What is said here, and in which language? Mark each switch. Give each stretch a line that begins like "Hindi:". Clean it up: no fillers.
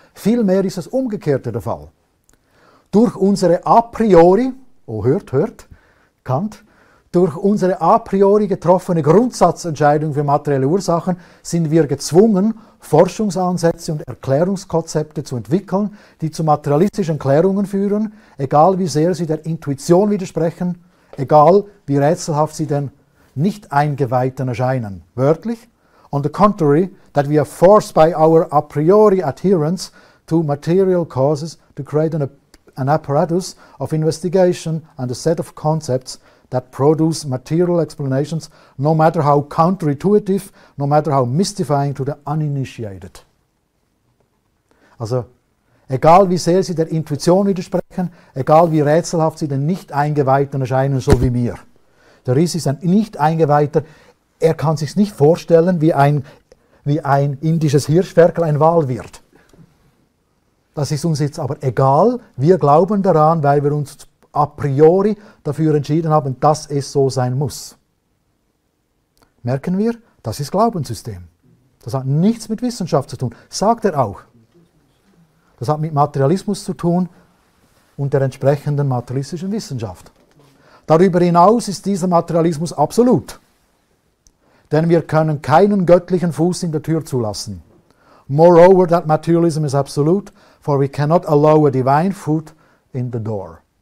German: Vielmehr ist es umgekehrt der Fall. Durch unsere a priori, oh hört, hört, Kant, durch unsere a priori getroffene Grundsatzentscheidung für materielle Ursachen sind wir gezwungen, Forschungsansätze und Erklärungskonzepte zu entwickeln, die zu materialistischen Klärungen führen, egal wie sehr sie der Intuition widersprechen, egal wie rätselhaft sie denn nicht eingeweihten erscheinen. Wörtlich,
English: on the contrary, that we are forced by our a priori adherence to material causes to create an apparatus of investigation and a set of concepts that produce material explanations, no matter how counterintuitive, no matter how mystifying to the uninitiated.
German: Also, egal wie sehr sie der Intuition widersprechen, egal wie rätselhaft sie den nicht eingeweihten erscheinen, so wie mir. Der Ries ist ein Nicht-Eingeweihter. Er kann sich nicht vorstellen, wie ein indisches Hirschferkel ein Wal wird. Das ist uns jetzt aber egal. Wir glauben daran, weil wir uns a priori dafür entschieden haben, dass es so sein muss. Merken wir? Das ist Glaubenssystem. Das hat nichts mit Wissenschaft zu tun. Sagt er auch. Das hat mit Materialismus zu tun und der entsprechenden materialistischen Wissenschaft. Darüber hinaus ist dieser Materialismus absolut. Denn wir können keinen göttlichen Fuß in der Tür zulassen.
English: Moreover, that materialism is absolute, for we cannot allow a divine foot in the door.